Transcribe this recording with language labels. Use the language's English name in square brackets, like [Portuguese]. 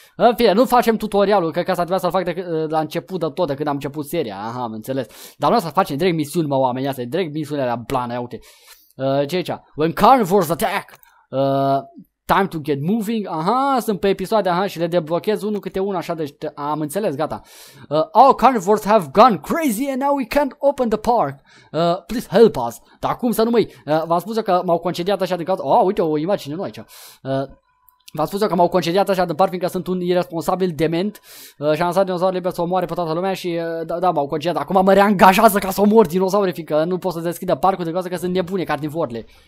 [Romanian] În fine, nu facem tutorialul, că asta trebuia să-l fac la început de tot, de când am început seria, aha, am înțeles. Dar noi să facem direct misiuni, mă, oamenii astea, direct misiunea la blană, ia uite. Ce aici? [English] When carnivores attack, time to get moving, [Romanian] aha, sunt pe episoade, aha, și le deblochez unul câte unul, așa, deci am înțeles, gata. [English] All carnivores have gone crazy and now we can't open the park. Please help us. [Romanian] Dar cum să nu mai? V-am spus eu că m-au concediat așa din cauza... uite o imagine nouă aici. V-am spus eu că m-au concediat așa din parc fiindcă sunt un irresponsabil dement și am lăsat dinozaurul liber să omoare pe toată lumea și da, m-au concediat. Acum mă reangajează ca să omor dinozaurii fiindcă nu pot să deschidă parcul din cauza că sunt nebune carnivorile.